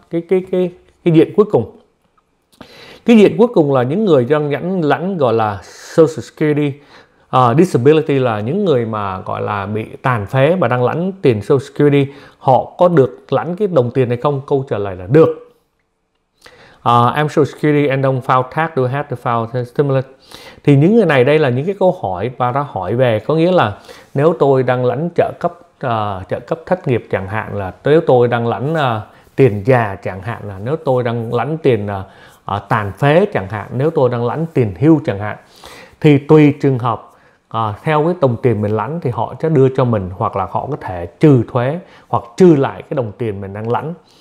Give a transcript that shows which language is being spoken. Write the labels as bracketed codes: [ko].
[vi] Cái diện cuối cùng, cái diện cuối cùng là những người đang nhẫn lãnh, gọi là social security disability, là những người mà gọi là bị tàn phế mà đang lãnh tiền social security, họ có được lãnh cái đồng tiền này không? Câu trả lời là được. [en] I'm social security and don't file tax, do have to file stimulus. [vi] Thì những người này, đây là những cái câu hỏi và ra hỏi về, có nghĩa là nếu tôi đang lãnh trợ cấp thất nghiệp chẳng hạn, là nếu tôi đang lãnh tiền già chẳng hạn, là nếu tôi đang lãnh tiền tàn phế chẳng hạn, nếu tôi đang lãnh tiền hưu chẳng hạn, thì tùy trường hợp theo cái đồng tiền mình lãnh thì họ sẽ đưa cho mình, hoặc là họ có thể trừ thuế hoặc trừ lại cái đồng tiền mình đang lãnh.